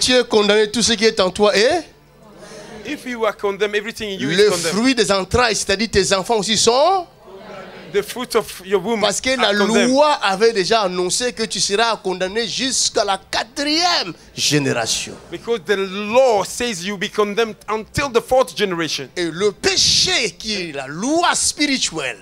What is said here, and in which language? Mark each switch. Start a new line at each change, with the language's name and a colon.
French: Tu es condamné, tout ce qui est en toi est?
English: If you are condemned, everything in you
French: le
English: is condemned.
French: Fruit des entrailles, c'est-à-dire tes enfants aussi sont?
English: The fruit of your womb.
French: Parce que la loi avait déjà annoncé que tu seras condamné jusqu'à la quatrième génération.
English: Because the law says you'll be condemned until the fourth generation.
French: Et le péché qui est la loi spirituelle.